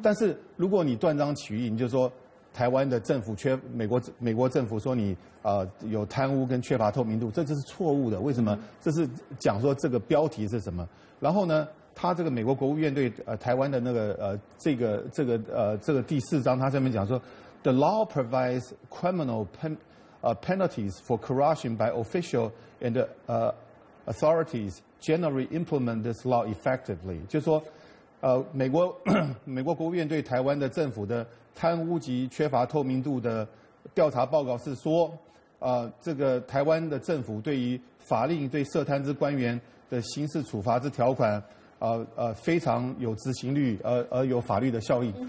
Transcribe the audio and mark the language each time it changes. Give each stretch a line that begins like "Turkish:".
Chinese: 但是如果你断章取义，你就说台湾的政府缺美国政府说你有贪污跟缺乏透明度，这就是错误的。为什么？这是讲说这个标题是什么？然后呢？他这个美国国务院对台湾的那个这个第四章，他上面讲说，
English: the law provides criminal penalties for corruption by official and authorities generally implement this law effectively.
Chinese: 就是说，美国国务院对台湾的政府的贪污及缺乏透明度的调查报告是说，这个台湾的政府对于法令对涉贪之官员的刑事处罚之条款，非常有执行率，而有法律的效应。